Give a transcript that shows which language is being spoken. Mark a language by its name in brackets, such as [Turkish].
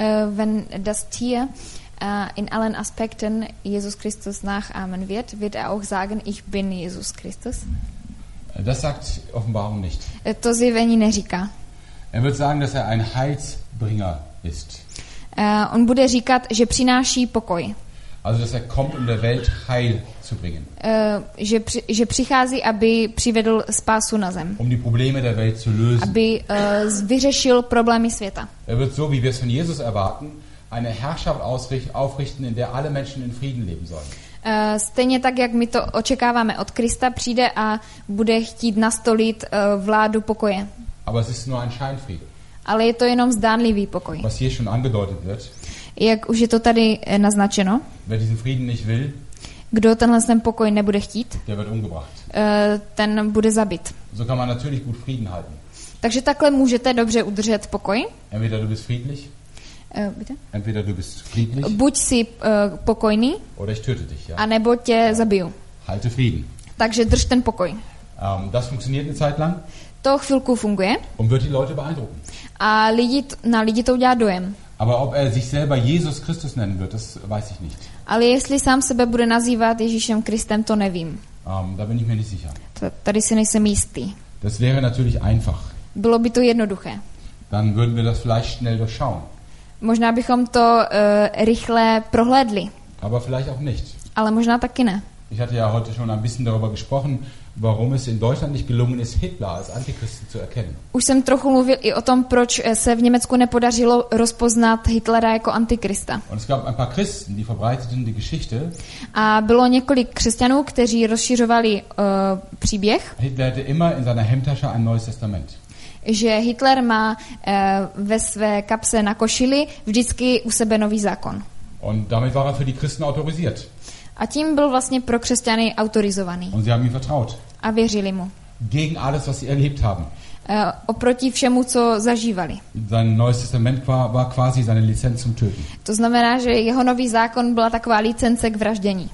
[German] Wenn das Tier in allen Aspekten Jesus Christus nachahmen wird, wird er auch sagen, ich bin Jesus Christus? Das sagt Offenbarung nicht. [Czech] To zjevení neříká. [German] Er wird sagen, dass er ein Heilsbringer ist. [Czech] On bude říkat, že přináší pokoj. [German] Also, dass er kommt, um der Welt Heil zu bringen. [Czech] Že přichází, aby přivedl spásu na zem. [German] Um die Probleme der Welt zu lösen. [Czech] Aby vyřešil problémy světa. [German] Er wird so, wie wir es von Jesus erwarten, eine Herrschaft aufrichten, in der alle Menschen in Frieden leben sollen. [Czech] Stejně tak, jak my to očekáváme od Krista, přijde a bude chtít nastolit vládu pokoje. [German] Aber es ist nur ein Scheinfriede. [Czech] Ale je to jenom zdánlivý pokoj. [German] Was hier schon angedeutet wird. [Czech] Jak už je to tady naznačeno. [German] Wer diesen Frieden nicht will, [Czech] kdo tenhle ten pokoj nebude chtít, [German] der wird umgebracht. [Czech] Ten bude zabit. [German] So kann man natürlich gut Frieden halten. [Czech] Takže takhle můžete dobře udržet pokoj. [German] Entweder du bist friedlich. Entweder du bist friedlich. [Czech] Buď si pokojný. [German] Oder ich töte dich, ja. [Czech] A nebo tě zabiju. [German] Halte Frieden. [Czech] Takže drž ten pokoj. [German] Das funktioniert eine Zeit lang. [Czech] To chvilku funguje. [German] Und wird die Leute beeindrucken. [Czech] A lidi to udělá dojem. [German] Aber ob er sich selber Jesus Christus nennen wird, das weiß ich nicht. [Czech] Ale jestli sám sebe bude nazývat Ježíšem Kristem, to nevím. [German] Da bin ich mir nicht sicher. [Czech] Tady si nejsem jistý. [German] Das wäre natürlich einfach. [Czech] Bylo by to jednoduché. [German] Dann würden wir das vielleicht schnell durchschauen. [Czech] Možná bychom to rychle prohlédli. [German] Aber vielleicht auch nicht. [Czech] Ale možná taky ne. [German] Ich hatte ja heute schon ein bisschen darüber gesprochen, warum es in Deutschland nicht gelungen ist, Hitler als Antichristen zu erkennen. [Czech] Už jsem trochu mluvil i o tom, proč se v Německu nepodařilo rozpoznat Hitlera jako antikrista. [German] Und es gab ein paar Christen, die verbreiteten die Geschichte. [Czech] A bylo několik křesťanů, kteří rozšířovali příběh. [German] Hitler hatte immer in seiner Hemdtasche ein neues Testament. [Czech] Že Hitler má ve své kapse na košili vždycky u sebe nový zákon. [German] Und damit war er für die Christen autorisiert. [Czech] A tím byl vlastně pro křesťany autorizovaný. [German] Und sie haben ihm vertraut. [Czech] A věřili mu. [German] Gegen alles, was sie erlebt haben. [Czech] Oproti všemu, co zažívali. [German] Sein neues Testament war quasi seine Lizenz zum Töten. [Czech] To znamená, že jeho nový zákon byla taková licence k vraždění.